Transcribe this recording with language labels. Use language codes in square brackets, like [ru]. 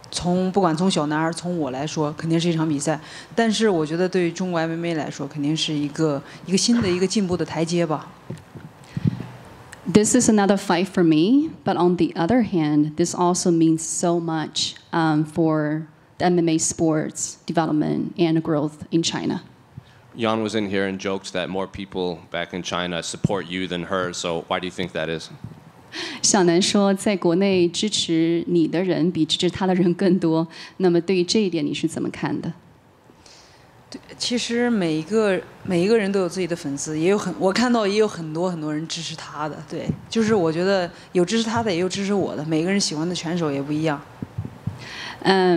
[zh] 这次就像你说的，是第一次两位中国选手争夺这个冠军的头衔。那你觉得这是一个有特别的意义，尤其是你为你的国家在战斗，还是说这就是另一次卫冕而已？我觉得对，从我个人来讲，肯定是我觉得这是一场比赛。从不管从小男孩，从我来说， 肯定是一场比赛，但是我觉得对于中国MMA来说，肯定是一个新的一个进步的台阶吧。 [en] This is another fight for me, but on the other hand, this also means so much for the MMA sports development and growth in China. Yan was in here and joked that more people back in China support you than her, so why do you think that is? [zh] 小南说，在国内支持你的人比支持他的人更多。那么，对于这一点，你是怎么看的？其实每一个人都有自己的粉丝，也有很我看到也有很多人支持他的。对，就是我觉得有支持他的，也有支持我的。每个人喜欢的选手也不一样。 [en] I